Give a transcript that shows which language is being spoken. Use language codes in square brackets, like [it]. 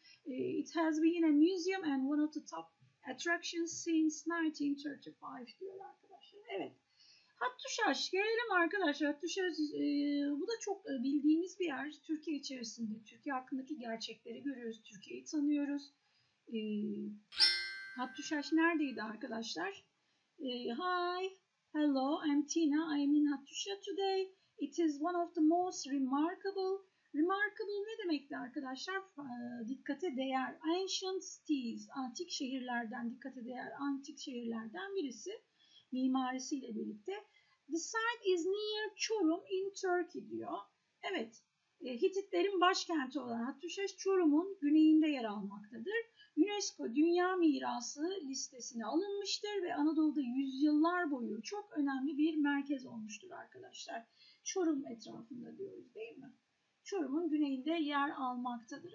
[en] It has been a museum and one of the top attractions since 1935 [tr] diyorlar arkadaşlar. Evet. Hattuşaş, gelelim arkadaşlar. Hattuşaş, bu da çok bildiğimiz bir yer. Türkiye içerisinde, Türkiye hakkındaki gerçekleri görüyoruz, Türkiye'yi tanıyoruz. Hattuşaş neredeydi arkadaşlar? [en] Hi, hello, I'm Tina, I'm in Hattuşaş today. It is one of the most remarkable. Remarkable [tr] ne demekti arkadaşlar? Dikkate değer, [en] ancient cities, [tr] antik şehirlerden, dikkate değer antik şehirlerden birisi. Mimarisiyle birlikte. [en] The site is near Çorum in Turkey [tr] diyor. Evet, Hititlerin başkenti olan Hattuşaş, Çorum'un güneyinde yer almaktadır. UNESCO Dünya Mirası listesine alınmıştır ve Anadolu'da yüzyıllar boyu çok önemli bir merkez olmuştur arkadaşlar. Çorum etrafında diyoruz, değil mi? Çorum'un güneyinde yer almaktadır.